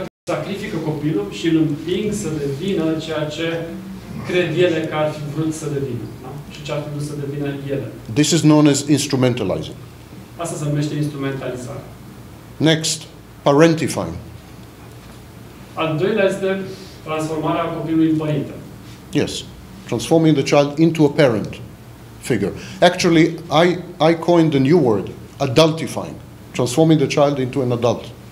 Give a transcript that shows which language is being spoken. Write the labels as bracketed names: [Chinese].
[Romanian] Sacrifică copilul și îl împing să devină ceea ce cred ele că ar fi vrut să devină, da? Și ce ar fi vrut să devină ele. [English] This is known as instrumentalizing. [Romanian] Asta se numește instrumentalizare. [English] Next, parentifying. [Romanian] Al doilea este transformarea copilului în părinte. [English] Yes, transforming the child into a parent figure. Actually, I coined a new word, adultifying, transforming the child into an adult.